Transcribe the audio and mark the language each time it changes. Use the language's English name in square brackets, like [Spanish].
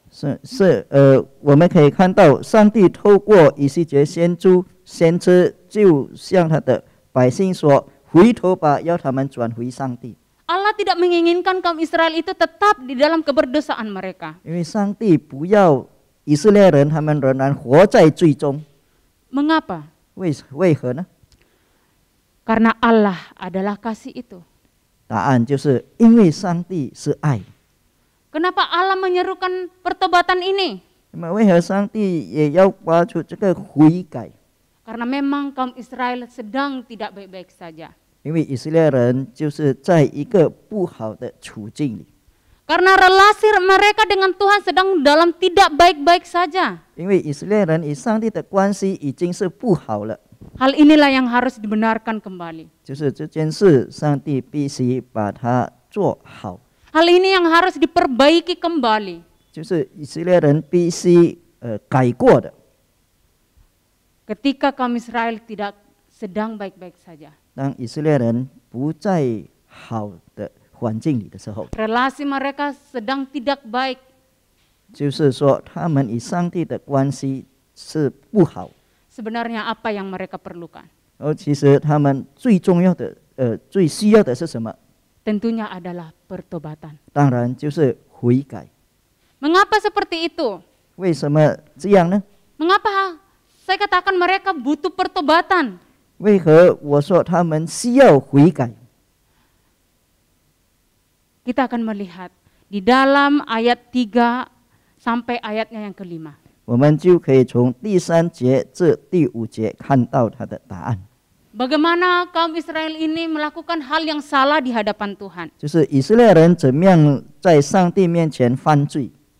[Chinese] 是我们可以看到上帝透过以西结先知就向他的百姓说回头吧，要他们转回上帝。 [Indonesian] Allah tidak menginginkan kaum Israel itu tetap di dalam keberdosaan mereka. [Chinese] 因为上帝不要以色列人他们仍然活在罪中。 [Indonesian] Mengapa? [Chinese] 为何呢？ [Indonesian] Karena Allah adalah kasih itu. [Chinese] 答案就是因为上帝是爱。 [Indonesian] Kenapa Allah menyerukan pertobatan ini? [Chinese] 为何上帝也要发出这个悔改？ [Indonesian] Karena memang kaum Israel sedang tidak baik-baik saja。 [Chinese] 因为以色列人就是在一个不好的处境里。 [Indonesian] Karena relasi mereka dengan Tuhan sedang dalam tidak baik-baik saja。 [Chinese] 因为以色列人与上帝的关系已经是不好了。 [Indonesian] Hal inilah yang harus dibenarkan kembali。 [Chinese] 就是这件事，上帝必须把它做好。 [Indonesian] Hal ini yang harus diperbaiki kembali。 [Chinese] 就是以色列人必须改过的。 [Indonesian] Ketika kaum Israel tidak sedang baik-baik saja。 [Chinese] 当以色列人不在好的环境里的时候， [Indonesian] relasi mereka sedang tidak baik， [Chinese] 就是说他们与上帝的关系是不好。 [Indonesian] Sebenarnya apa yang mereka perlukan？ [Chinese] 其实他们最重要的最需要的是什么？ [Indonesian] Tentunya adalah pertobatan， [Chinese] 当然就是悔改。 [Indonesian] Mengapa seperti itu？ [Chinese] 为什么这样呢？ [Indonesian] Mengapa saya katakan mereka butuh pertobatan？ [Chinese] 为何我说他们需要悔改？ [Indonesian] Kita akan melihat di dalam ayat 3 sampai ayatnya yang kelima， [Chinese] 我们就可以从第三节至第五节看到他的答案。 [Indonesian] Bagaimana kaum Israel ini melakukan hal yang salah di hadapan Tuhan? [Chinese] 就是以色列人怎么样在上帝面前犯罪？